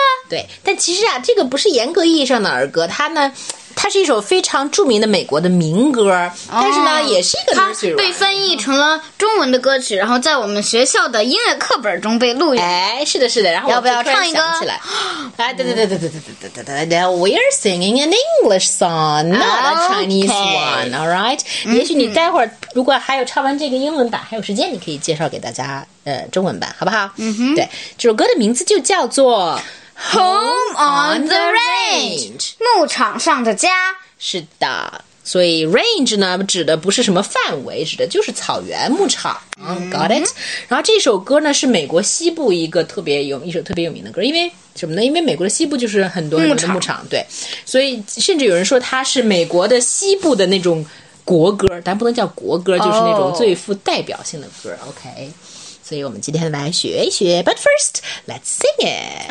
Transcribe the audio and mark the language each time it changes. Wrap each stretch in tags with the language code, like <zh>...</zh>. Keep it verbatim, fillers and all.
<zh>对，但其实啊，这个不是严格意义上的儿歌，它呢，它是一首非常著名的美国的民歌，哦、但是呢，也是一个它被翻译成了中文的歌曲，然后在我们学校的音乐课本中被录音。哎，是的，是的。然后要不要唱一个？哎，对对对对对对对对对 ，</zh> <en>We're singing an English song。 Not a Chinese one, all right?</en> <zh>也许你待会儿如果还有唱完这个英文版还有时间，你可以介绍给大家呃中文版，好不好？嗯哼，对，这首歌的名字就叫做</zh> <en>Home on the Range，</en> <zh>牧场上的家。是的，所以 range 呢指的不是什么范围，指的就是草原牧场。</zh> <en>嗯、Got it？</en> <zh>然后这首歌呢是美国西部一个特别有一首特别有名的歌，因为什么呢？因为美国的西部就是很多人的牧场，对，所以甚至有人说它是美国的西部的那种国歌，但不能叫国歌，就是那种最富代表性的歌。</zh> <en>Oh.</en> <zh>OK， 所以我们今天来学一学 ，</zh> <en>But first let's sing it。</en>